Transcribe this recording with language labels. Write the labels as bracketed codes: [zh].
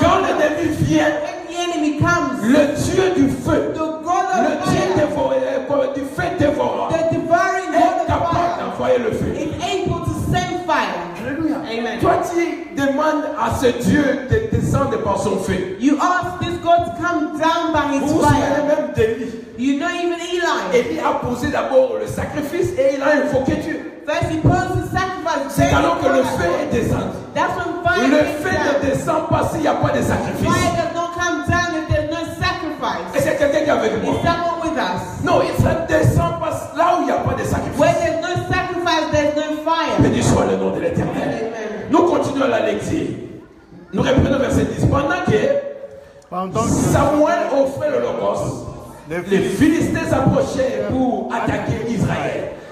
[fr] Quand l'ennemi vient, [en] when the enemy comes, [fr] le Dieu du feu, [en] the God of [fr] le [en] fire, [fr] Dieu du feu dévorant, [en] the devouring God of fire, [fr] est capable d'envoyer le feu. [en] Is able to send fire. [fr] Alléluia. [en] Amen. [fr] Toi, tu demandes à ce Dieu de descendre par son feu. [en] You ask this God to come down by his [fr] vous [en] fire. [fr] Vous savez même Eli. [en] You know even Eli. [fr] Eli a posé d'abord le sacrifice et il a invoqué Dieu. [en] First he posed the sacrifice. [fr] C'est alors que le feu est descendu. [en] That's when fire [fr] le feu ne descend pas s'il n'y a pas de sacrifice. [en] Fire does not come down if there's no sacrifice. [fr] Et c'est quelqu'un qui est avec moi. [en] Is someone with us? [fr] No, il ne descend pas là où il n'y a pas de sacrifice. [en] Where there's no sacrifice, there's no fire. [fr] Béni soit le nom de l'Éternel. [en] Amen. [fr] Nous continuons la lecture. Nous reprenons verset 10. Pendant que Samuel offrait l'holocauste, les Philistins s'approchaient pour attaquer Israël.